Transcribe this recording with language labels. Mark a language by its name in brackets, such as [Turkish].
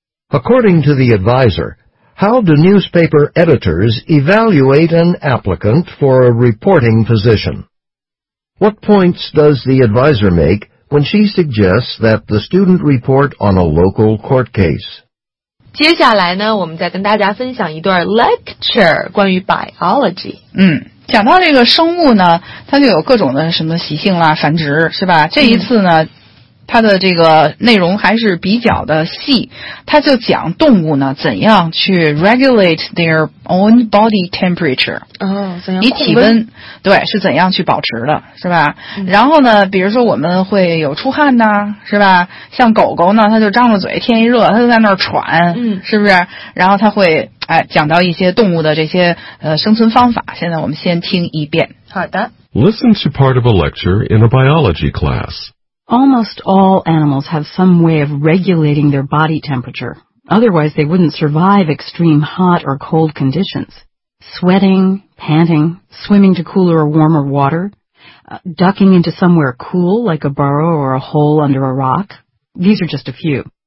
[English] According to the advisor, how do newspaper editors evaluate an applicant for a reporting position? What points does the advisor make when she suggests that the student report on a local court case? [Chinese] 接下来呢，我们再跟大家分享一段 lecture 关于 biology。讲到这个生物呢，它就有各种的什么习性啦，繁殖是吧？这一次呢，它的这个内容还是比较的细，它就讲动物呢怎样去 regulate their own body temperature，怎样以体温对是怎样去保持的，是吧？然后呢，比如说我们会有出汗呐，是吧？像狗狗呢，它就张着嘴，天一热它就在那儿喘，是不是？然后它会讲到一些动物的这些生存方法。现在我们先听一遍。好的。 [English] Listen to part of a lecture in a biology class. Almost all animals have some way of regulating their body temperature. Otherwise, they wouldn't survive extreme hot or cold conditions. Sweating, panting, swimming to cooler or warmer water, ducking into somewhere cool like a burrow or a hole under a rock. These are just a few.